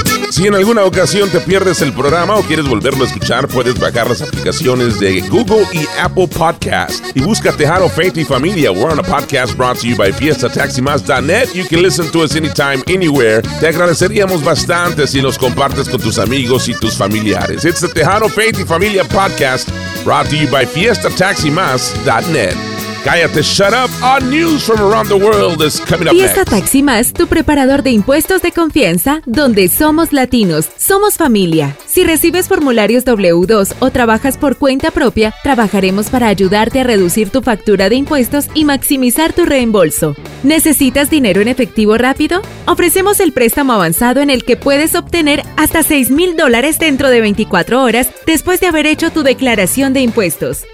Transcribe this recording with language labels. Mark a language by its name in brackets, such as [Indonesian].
[Spanish] Si en alguna ocasión te pierdes el programa o quieres volverlo a escuchar, puedes bajar las aplicaciones de Google y Apple Podcast. Y busca Tejano, Faith y Familia. [English] We're on a podcast brought to you by FiestaTaximas.net. You can listen to us anytime, anywhere. [Spanish] Te agradeceríamos bastante si los compartes con tus amigos y tus familiares. [English] It's the Tejano, Faith y Familia Podcast brought to you by FiestaTaximas.net. [Spanish] Cállate, [English] shut up. Our news from around the world is coming up. [Spanish] Fiesta Taxi Más, tu preparador de impuestos de confianza, donde somos latinos, somos familia. Si recibes formularios W-2 o trabajas por cuenta propia, trabajaremos para ayudarte a reducir tu factura de impuestos y maximizar tu reembolso. ¿Necesitas dinero en efectivo rápido? Ofrecemos el préstamo avanzado en el que puedes obtener hasta $6,000 dentro de 24 horas después de haber hecho tu declaración de impuestos.